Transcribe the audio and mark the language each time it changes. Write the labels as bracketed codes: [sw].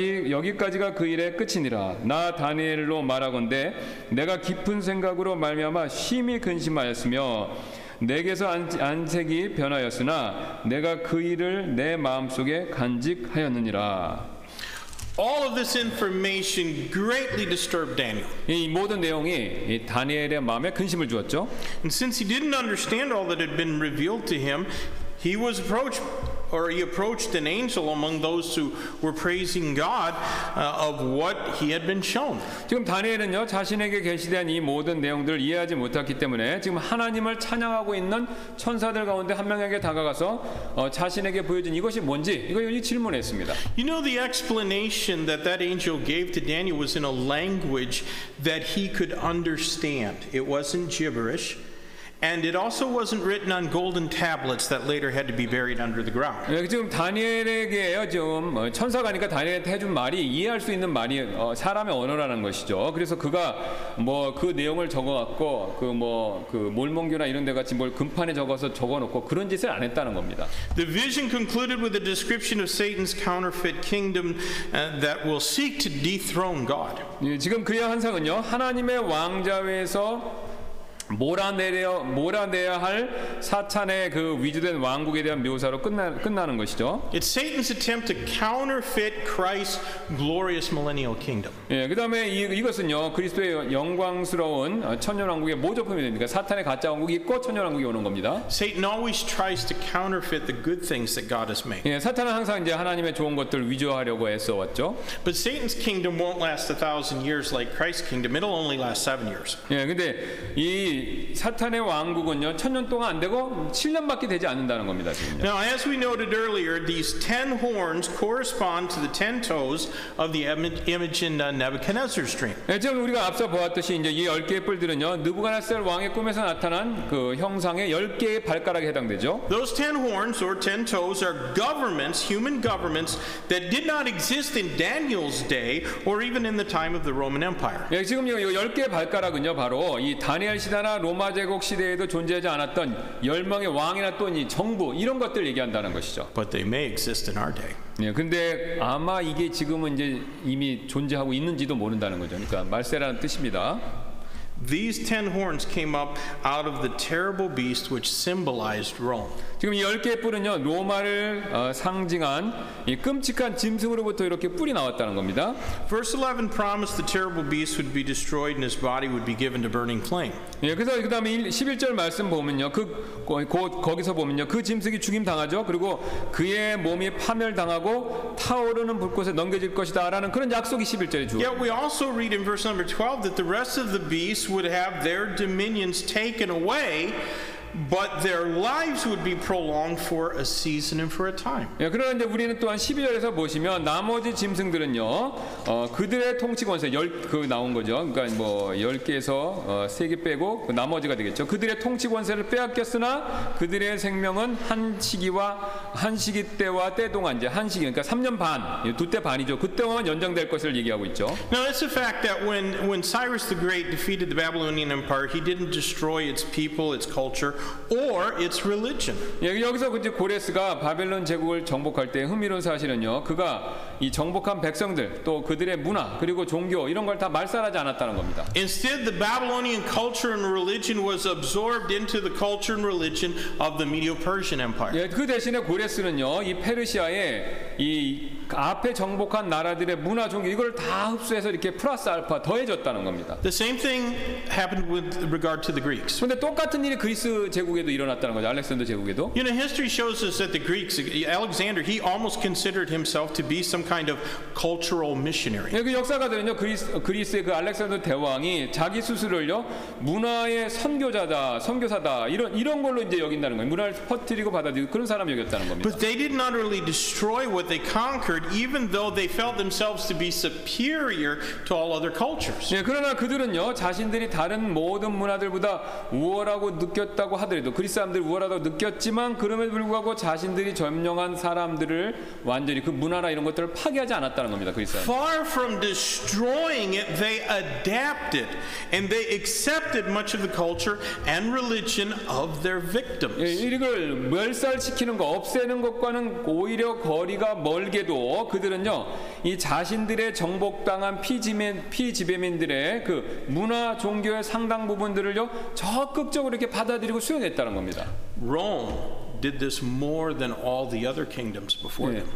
[ko] 여기까지가 그 일의 끝이니라. 나 다니엘로 말하건대 내가 깊은 생각으로 말미암아 심히 근심하였으며 내게서 안색이 변하였으나 내가 그 일을 내 마음속에 간직하였느니라. [en] All of this information greatly disturbed Daniel. [ko] 이 모든 내용이 이 다니엘의 마음에 근심을 주었죠. [en] And since he didn't understand all that had been revealed to him, he approached an angel among those who were praising God of what he had been shown. [ko] 지금 다니엘은요 자신에게 계시된 이 모든 내용들을 이해하지 못했기 때문에 지금 하나님을 찬양하고 있는 천사들 가운데 한 명에게 다가가서 자신에게 보여준 이것이 뭔지 이걸 질문했습니다. [en] You know the explanation that angel gave to Daniel was in a language that he could understand. It wasn't gibberish. And it also wasn't written on golden tablets that later had to be buried under the ground. [ko] 지금 다니엘에게요, 지금 천사가니까 다니엘한테 해준 말이 이해할 수 있는 말이 사람의 언어라는 것이죠. 그래서 그가 뭐 그 내용을 적어갖고 그 뭐 그 몰몬교나 이런 데 같이 뭘 금판에 적어서 적어놓고 그런 짓을 안 했다는 겁니다. [en] The vision concluded with a description of Satan's counterfeit kingdom that will seek to dethrone God. [ko] 지금 그의 환상은요, 하나님의 왕좌에서 몰아내야 할 사탄의 그 위조된 왕국에 대한 묘사로 끝나는 것이죠. [en] It's Satan's attempt to counterfeit Christ's glorious millennial kingdom. [ko] 예, 그다음에 이것은요 그리스도의 영광스러운 천년 왕국의 모조품이 됩니다. 사탄의 가짜 왕국이 있고 천년 왕국이 오는 겁니다. [en] Satan always tries to counterfeit the good things that God has made. [ko] 예, 사탄은 항상 이제 하나님의 좋은 것들 위조하려고 애써왔죠. [en] But Satan's kingdom won't last 1,000 years like Christ's kingdom. It'll only last 7 years. [ko] 예, 근데 이 사탄의 왕국은요 천년 동안 안 되고 7년밖에 되지 않는다는 겁니다. 지금요. [en] Now, as we noted earlier, these ten horns correspond to the ten toes of the image in Nebuchadnezzar's dream. [ko] 예, 지금 우리가 앞서 보았듯이 이제 이 열 개의 뿔들은요 느부갓네살 왕의 꿈에서 나타난 그 형상의 열 개의 발가락에 해당되죠. [en] Those ten horns or ten toes are governments, human governments that did not exist in Daniel's day or even in the time of the Roman Empire. [ko] 예, 지금 이 열 개의 발가락은요 바로 이 다니엘 시대나 로마 제국 시대에도 존재하지 않았던 열 명의 왕이나 또는 이 정부 이런 것들 얘기한다는 것이죠. [en] But they may exist in our day. [ko] 예, 근데 아마 이게 지금은 이제 이미 존재하고 있는지도 모른다는 거죠. 그러니까 말세라는 뜻입니다. [en] These ten horns came up out of the terrible beast which symbolized Rome. [ko] 지금 이 열 개의 뿔은요, 로마를 상징한 이 끔찍한 짐승으로부터 이렇게 뿔이 나왔다는 겁니다. [en] Verse 11 promised the terrible beast would be destroyed and his body would be given to burning flame. [ko] 예, 그래서 그다음에 11절 말씀 보면요, 거기서 보면요, 그 짐승이 죽임 당하죠. 그리고 그의 몸이 파멸당하고 타오르는 불꽃에 넘겨질 것이다라는 그런 약속이 11절에 주어. [en] Yet we also read in verse number 12 that the rest of the beasts would have their dominions taken away. But their lives would be prolonged for a season and for a time. [ko] 예, 그런데 우리는 또한 12절에서 보시면 나머지 짐승들은요, 그들의 통치 권세 열 그 나온 거죠. 그러니까 뭐 열 개에서 세 개 빼고 그 나머지가 되겠죠. 그들의 통치 권세를 빼앗겼으나 그들의 생명은 한 시기와 한 시기 때와 때 동안 이제 한 시기 그러니까 3년 반, 두 때 반이죠. 그 동안 연장될 것을 얘기하고 있죠. [en] Now it's a fact that when Cyrus the Great defeated the Babylonian Empire, he didn't destroy its people, its culture. Or its religion. [ko] 여기서 이제 고레스가 바벨론 제국을 정복할 때 흥미로운 사실은요, 그가 이 정복한 백성들 또 그들의 문화 그리고 종교 이런 걸 다 말살하지 않았다는 겁니다. [en] Instead, the Babylonian culture and religion was absorbed into the culture and religion of the Medo-Persian Empire. [ko] 예, 그 대신에 고레스는요, 이 페르시아의 이 앞에 정복한 나라들의 문화 종교 이걸 다 흡수해서 이렇게 플러스 알파 더해졌다는 겁니다. [en] The same thing happened with regard to the Greeks. [ko] 그런데 똑같은 일이 그리스 제국에도 일어났다는 거죠. 알렉산더 제국에도. [en] You know, history shows us that the Greeks, Alexander, he almost considered himself to be some kind of cultural missionary. [ko] 예, 그 역사가들은요, 그리스의 그 알렉산더 대왕이 자기 스스로를요 문화의 선교자다, 선교사다 이런 걸로 이제 여긴다는 거예요. 문화를 퍼뜨리고 받아들이고 그런 사람 여겼다는 겁니다. [en] But they did not really destroy what they conquered. Even though they felt themselves to be superior to all other cultures. [ko] 예, 그러나 그들은요 자신들이 다른 모든 문화들보다 우월하고 느꼈다고 하더라도 그리스 사람들 우월하다고 느꼈지만 그럼에도 불구하고 자신들이 점령한 사람들을 완전히 그 문화나 이런 것들을 파괴하지 않았다는 겁니다. 그리스 사람들. [en] Far from destroying it, they adapted and they accepted much of the culture and religion of their victims. [ko] 예, 이걸 멸살시키는 거 없애는 것과는 오히려 거리가 멀 게도 그들은요 이 자신들의 정복당한 피지배민들의 그 문화 종교의 상당 부분들을요 적극적으로 이렇게 받아들이고 수용했다는 겁니다. [en] Rome did this more than all the other kingdoms before them.